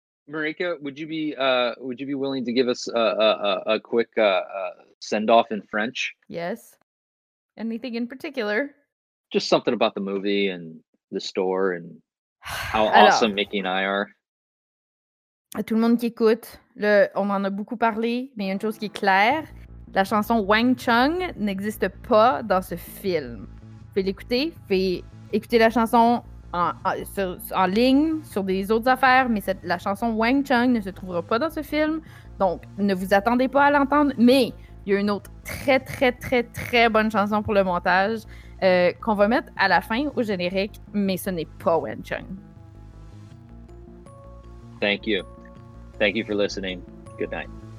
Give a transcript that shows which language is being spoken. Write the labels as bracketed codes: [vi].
[en] Marika, would you be willing to give us a quick send off in French? Yes. Anything in particular? Just something about the movie and the store and how awesome Mickey and I are. [fr] À tout le monde qui écoute, on en a beaucoup parlé, mais une chose qui est claire, la chanson Wang Chung n'existe pas dans ce film. Fais l'écouter, fais écouter la chanson. En ligne, sur des autres affaires, mais la chanson Wang Chung ne se trouvera pas dans ce film, donc ne vous attendez pas à l'entendre, mais il y a une autre très, très, très, très bonne chanson pour le montage qu'on va mettre à la fin au générique, mais ce n'est pas Wang Chung. [en] Thank you. Thank you for listening. Good night.